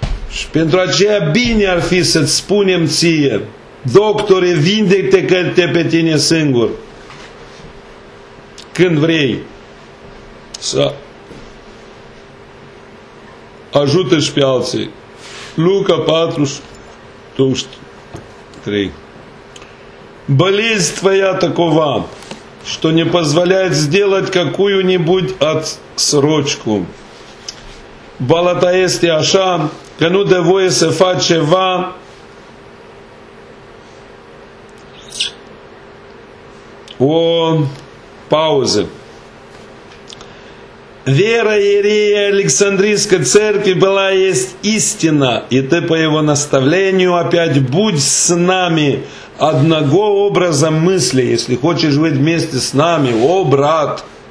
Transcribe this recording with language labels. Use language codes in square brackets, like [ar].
[ro] Și pentru aceea bine ar fi să-ți spunem ție, doctore, vindecă-te pe tine singur, când vrei să ajute și pe alții. Luca 4:23. [ru] Болезнь твоя такова, що не позволяет сделать какую-нибудь отсрочку. [ro] Boala ta este așa, că nu dă voie să faci ceva o pauză. [ru] Вера Иерея Александрийской церкви была есть истина, и ты по его наставлению опять будь с нами одного образа мысли, если хочешь быть вместе с нами, о брат.